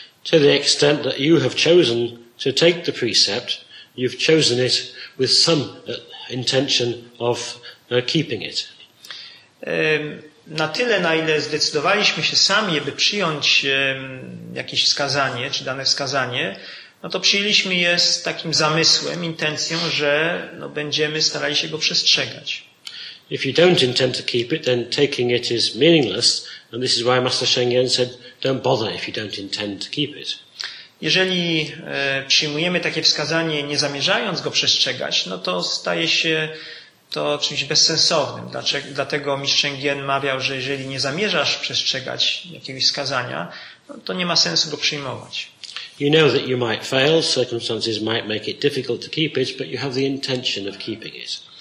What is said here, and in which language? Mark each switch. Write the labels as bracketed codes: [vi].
[en] To the extent that you have chosen to take the precept, you've chosen it with some intention of keeping it. [pl] Na tyle, na ile zdecydowaliśmy się sami, aby przyjąć jakieś wskazanie, czy dane wskazanie, no to przyjęliśmy je z takim zamysłem, intencją, że no, będziemy starali się go przestrzegać. [en] If you don't intend to keep it, then taking it is meaningless, and this is why Master Sheng Yen said, don't bother if you don't intend to keep it. [pl] Jeżeli przyjmujemy takie wskazanie, nie zamierzając go przestrzegać, no to staje się to czymś bezsensownym. Dlatego Mistrz Sheng Yen mawiał, że jeżeli nie zamierzasz przestrzegać jakiegoś wskazania, no to nie ma sensu go przyjmować. [en] You know that you might fail, circumstances might make it difficult to keep it, but you have the intention of keeping it.